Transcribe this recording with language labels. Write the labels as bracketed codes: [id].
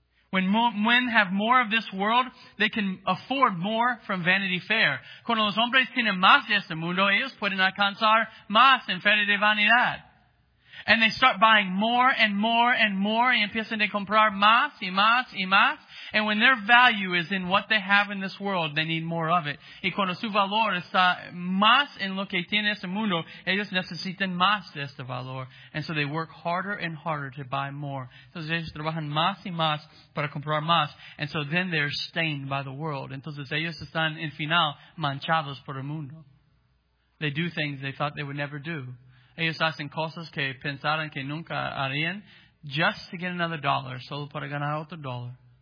[en] When men have more of this world, they can afford more from Vanity Fair. [es] Cuando los hombres tienen más de este mundo, ellos pueden alcanzar más en Feria de Vanidad. [en] And they start buying more and more and more [es] y empiezan a comprar más y más y más. [en] And when their value is in what they have in this world, they need more of it. [es] Y cuando su valor está más en lo que tiene este mundo, ellos necesitan más de este valor. [en] And so they work harder and harder to buy more. [es] Entonces ellos trabajan más y más para comprar más. [en] And so then they're stained by the world. [es] Entonces ellos están, en final, manchados por el mundo. [en] They do things they thought they would never do. [es] Ellos hacen cosas que pensaron que nunca harían [en] just to get another dollar, [es] solo para ganar otro dollar.